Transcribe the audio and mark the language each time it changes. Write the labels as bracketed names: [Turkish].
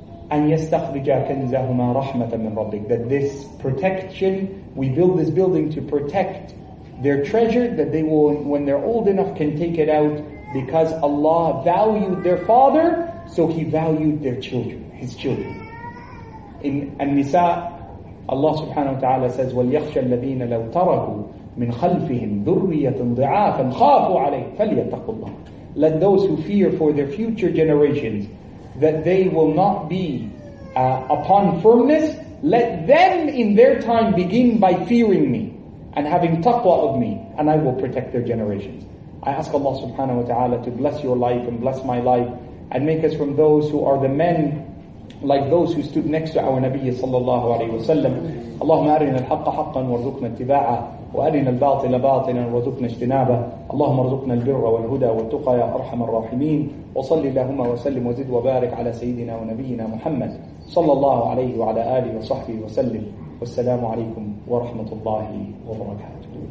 [Arabic] أَنْ يَسْتَخْرِجَا كَنْزَهُمَا رَحْمَةً مِنْ رَبِّكَ. [English] That this protection, we build this building to protect their treasure, that they will, when they're old enough, can take it out, because Allah valued their father, so he valued their children, his children. In An-Nisa, Allah subhanahu wa ta'ala says, [Arabic] وَلْيَخْشَ الَّذِينَ لَوْ تَرَكُوا مِنْ خَلْفِهِمْ ذُرِّيَّةٌ ضِعَافًا خَافُوا عَلَيْهِ فَلْيَتَّقُوا اللَّهِ. [English] Let those who fear for their future generations that they will not be upon firmness, let them in their time begin by fearing me and having taqwa of me, and I will protect their generations. I ask Allah subhanahu wa ta'ala to bless your life and bless my life, and make us from those who are the men like those who stood next to our Nabi sallallahu alayhi wa sallam. [Arabic] اللهم أرنا الحق حقا وارزقنا اتباعه وأرنا الباطل باطلا وارزقنا اجتنابه اللهم ارزقنا البر والهدى والتقى يا أرحم الراحمين وصل اللهم وسلم وزد وبارك على سيدنا ونبينا محمد صلى الله عليه وعلى آله وصحبه وسلم والسلام عليكم ورحمة الله وبركاته.